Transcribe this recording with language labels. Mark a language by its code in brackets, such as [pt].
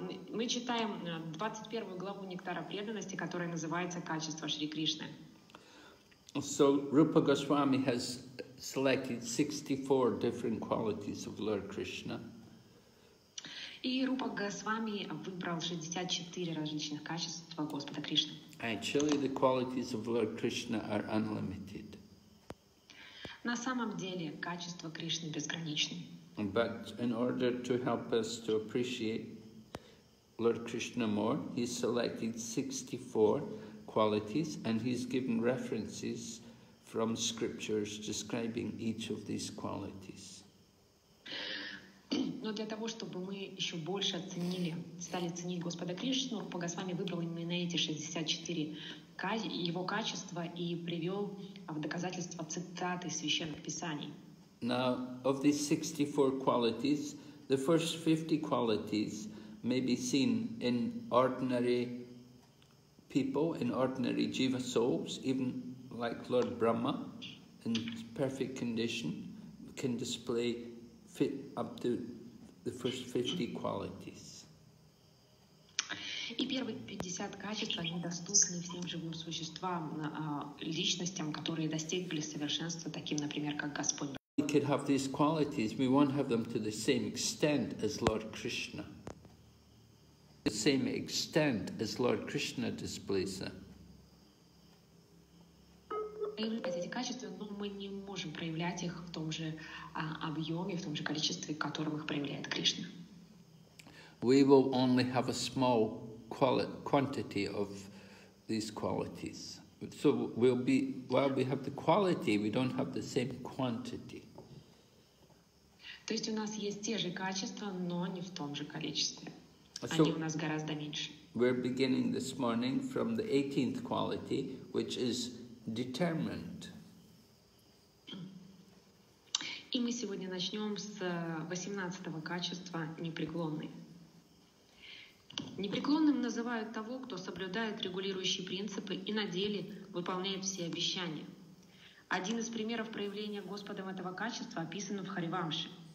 [ru] Мы читаем 21 главу Нектара преданности, которая называется «Качество Шри Кришны». [en] So Rupa Goswami has selected 64 different qualities of Lord Krishna. [ru] И Рупа Госвами выбрал 64 различных качества Господа Кришны. [en] Actually, the qualities of Lord Krishna are unlimited. [ru] На самом деле, качества Кришны безграничны. [en] But in order to help us to appreciate Lord Krishna more, he selected 64 qualities and he's given references from scriptures describing each of these qualities. [ru] Но для того, чтобы мы еще больше оценили, стали ценить Господа Кришну, Рупа Госвами выбрал именно эти 64 его качества и привел в доказательство цитаты священных писаний. [en] Now, of these 64 qualities, the first 50 qualities may be seen in ordinary people, in ordinary jiva souls, even like Lord Brahma, in perfect condition, can display fit up to the first 50 qualities. [ru] И первые 50 качеств, они доступны всем живым существам, личностям, которые достигли совершенства, таким, например, как Господь Брахма. [en] We could have these qualities, we won't have them to the same extent as Lord Krishna. The same extent as Lord Krishna displays them. [ru] Эти качества, но мы не можем проявлять их в том же объеме, в том же количестве, в котором их проявляет Кришна. [en] We will only have a small quantity of these qualities. So we'll be, while we have the quality, we don't have the same quantity. [ru] То есть у нас есть те же качества, но не в том же количестве. So они у нас гораздо меньше. [en] We're beginning this morning from the 18th quality, which is determined. [ru] И мы сегодня начнем с 18-го качества непреклонный. Непреклонным называют того, кто соблюдает регулирующие принципы и на деле выполняет все обещания. Один из примеров проявления Господом этого качества описан в Харивамше.